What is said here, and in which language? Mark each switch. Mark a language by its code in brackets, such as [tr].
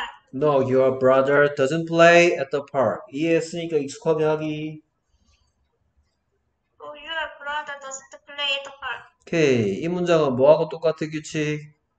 [en] No, your brother doesn't play at the park. [ko] 이해했으니까 익숙하게 하기. [en] No, your brother doesn't play at the park. [ko] 오케이. 이 문장은 뭐하고 똑같은 규칙?